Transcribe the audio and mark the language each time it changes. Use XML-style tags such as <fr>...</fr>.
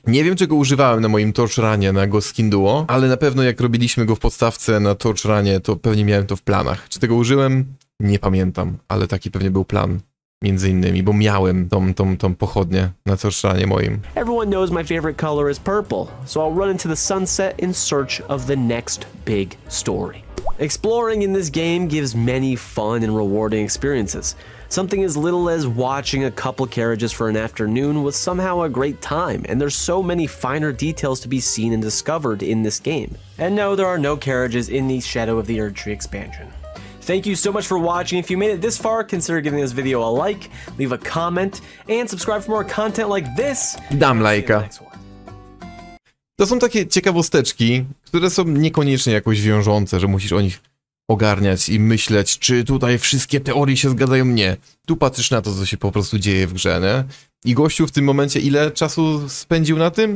<pl>Nie wiem, czego używałem na moim torchrunie na Ghost Skin Duo, ale na pewno jak robiliśmy go w podstawce na torchrunie, to pewnie miałem to w planach. Czy tego użyłem? Nie pamiętam, ale taki pewnie był plan. Między innymi, bo miałem tą pochodnię na torchrunie moim.</pl> <en>Everyone knows my favorite color is purple, so I'll run into the sunset in search of the next big story. Exploring in this game gives many fun and rewarding experiences. Something as little as watching a couple carriages for an afternoon was somehow a great time, and there's so many finer details to be seen and discovered in this game. And no, there are no carriages in the Shadow of the Erdtree expansion. Thank you so much for watching. If you made it this far, consider giving this video a like, leave a comment, and subscribe for more content like this.</en> <pl>Dam lajka. To są takie ciekawosteczki, które są niekoniecznie jakoś wiążące, że musisz o nich ogarniać i myśleć, czy tutaj wszystkie teorie się zgadzają, nie. Tu patrzysz na to, co się po prostu dzieje w grze, nie? I gościu w tym momencie ile czasu spędził na tym?</pl>